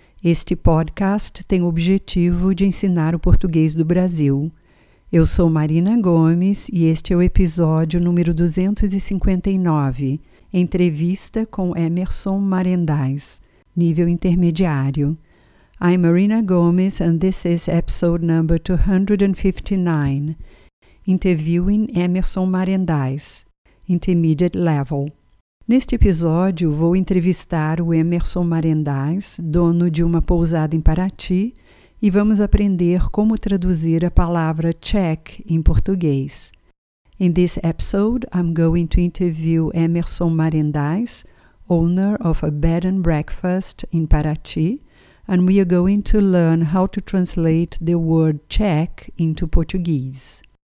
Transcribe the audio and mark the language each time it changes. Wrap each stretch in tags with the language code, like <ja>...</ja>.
<pt>Este podcast tem o objetivo de ensinar o português do Brasil. Eu sou Marina Gomes e este é o episódio número 259, entrevista com Emerson Marendais, nível intermediário.</pt> <en>I'm Marina Gomes and this is episode number 259, interviewing Emerson Marendais, intermediate level.</en> <pt>Neste episódio, vou entrevistar o Emerson Marendais, dono de uma pousada em Paraty, e vamos aprender como traduzir a palavra check em português.</pt> <en>In this episode, I'm going to interview Emerson Marendais, owner of a bed and breakfast in Paraty, and we are going to learn how to translate the word check into Portuguese.</en>